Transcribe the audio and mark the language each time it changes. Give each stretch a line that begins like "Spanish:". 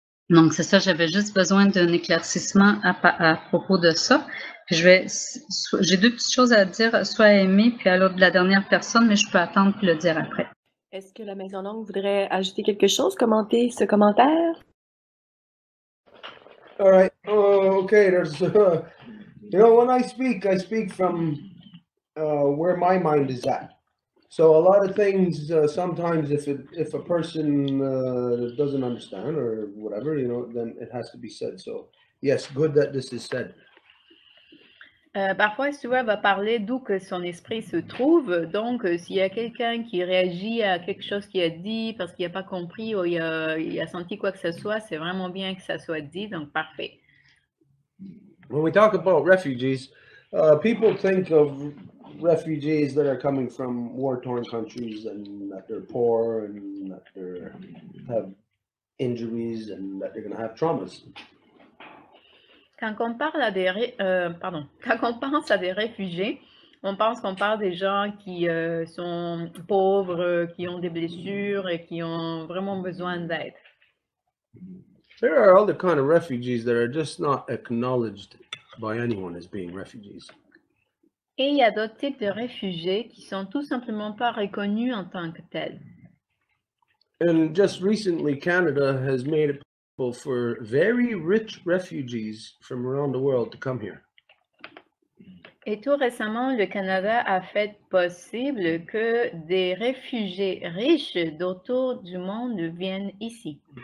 French: Donc, c'est ça, j'avais juste besoin d'un éclaircissement à propos de ça. J'ai deux petites choses à dire, soit à Aimé, puis à l'autre de la dernière personne, mais je peux attendre puis le dire après. Est-ce que la Maison Longue voudrait ajouter quelque chose, commenter ce commentaire?
English: All right. Oh, okay. There's, you know, when I speak from where my mind is at. So a lot of things, sometimes if a person doesn't understand or whatever, you know, then it has to be said. So yes, good that this is said.
French: Parfois, Stuart va parler d'où que son esprit se trouve. Donc, s'il y a quelqu'un qui réagit à quelque chose qu'il a dit parce qu'il n'a pas compris ou il a senti quoi que ce soit, c'est vraiment bien que ça soit dit. Donc, parfait.
English: When we talk about refugees, people think of refugees that are coming from war-torn countries and that they're poor and that they have injuries and that they're going to have traumas.
French: Quand on parle à des quand on pense à des réfugiés, on pense qu'on parle des gens qui sont pauvres, qui ont des blessures et qui ont vraiment besoin d'aide.
English: There are other kind of refugees that are just not acknowledged by anyone as being refugees.
French: Et il y a d'autres types de réfugiés qui sont tout simplement pas reconnus en tant que tels.
English: And just recently, Canada has made it for very rich refugees from around the world to come here.
French: Et tout récemment, le Canada a fait possible que des réfugiés riches d'autour du monde viennent ici.